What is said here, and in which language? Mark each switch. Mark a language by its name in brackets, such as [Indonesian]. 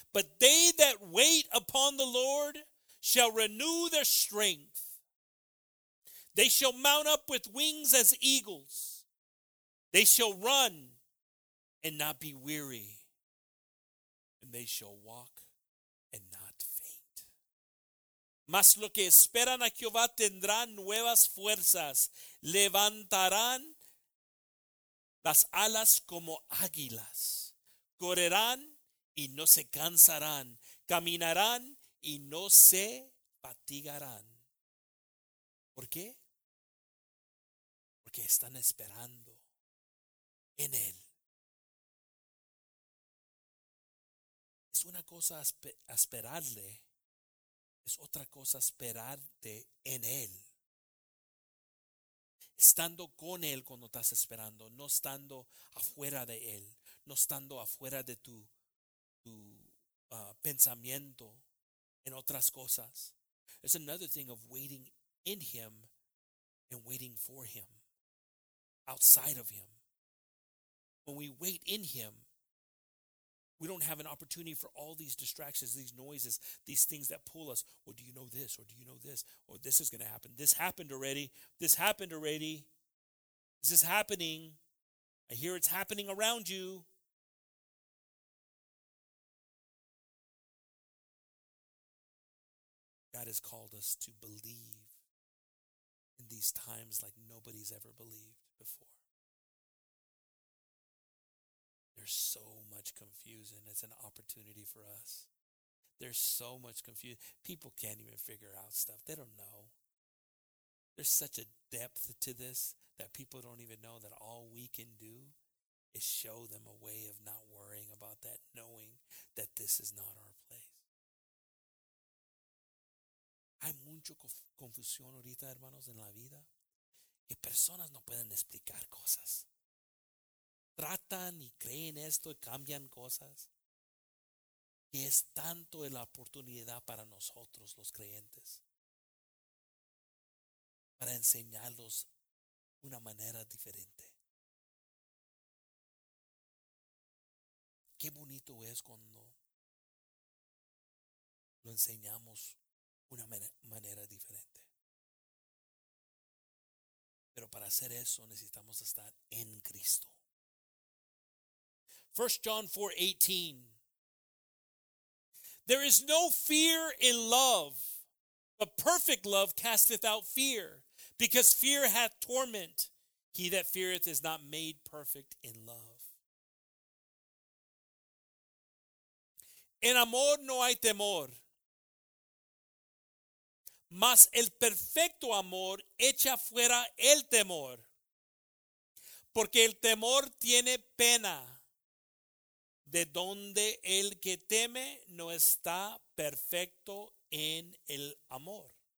[English] But they that wait upon the Lord shall renew their strength. They shall mount up with wings as eagles. They shall run and not be weary, and they shall walk and not faint. [Spanish] Mas lo que esperan a Jehová tendrán nuevas fuerzas, levantarán las alas como águilas, correrán y no se cansarán, caminarán y no se fatigarán. ¿Por qué? Porque están esperando en él. Es una cosa esperarle, es otra cosa esperarte en él. Estando con él cuando estás esperando, no estando afuera de él, no estando afuera de tu pensamiento en otras cosas. [English] It's another thing of waiting in him and waiting for him, outside of him. When we wait in him, we don't have an opportunity for all these distractions, these noises, these things that pull us. Well, do you know this? Or do you know this? Or this is going to happen. This happened already. This is happening. I hear it's happening around you. God has called us to believe in these times like nobody's ever believed before. There's so much confusion. It's an opportunity for us. There's so much confusion. People can't even figure out stuff. They don't know. There's such a depth to this that people don't even know that all we can do is show them a way of not worrying about that, knowing that this is not our place. [Spanish] Hay mucho confusión ahorita, hermanos, en la vida, que personas no pueden explicar cosas. Tratan y creen esto y cambian cosas. Y es tanto la oportunidad para nosotros los creyentes, para enseñarlos una manera diferente. Qué bonito es cuando lo enseñamos una manera diferente. Pero para hacer eso necesitamos estar en Cristo. [English] 1 John 4:18. There is no fear in love, but perfect love casteth out fear, because fear hath torment. He that feareth is not made perfect in love. [Spanish] En amor no hay temor, mas el perfecto amor echa fuera el temor, porque el temor tiene pena, de donde el que teme no está perfecto en el amor.